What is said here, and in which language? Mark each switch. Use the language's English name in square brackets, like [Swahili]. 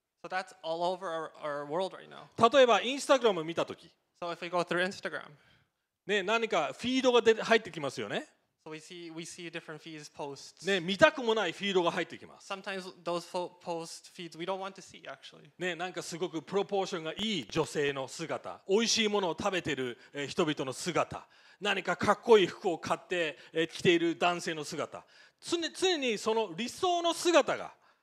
[English] So that's all over our world right now. [Japanese] 例えば、インスタグラムを見たとき。 [English] So if we go through Instagram. [Japanese] ね、何かフィードが入ってきますよね。 [English] So we see different feeds posts. [Japanese] ね、見たくもないフィードが入ってきます。 [English] Sometimes those post feeds we don't want to see actually. [Japanese] ね、なんかすごくプロポーションがいい女性の姿、美味しいものを食べている人々の姿、何かかっこいい服を買って着ている男性の姿。常にその理想の姿が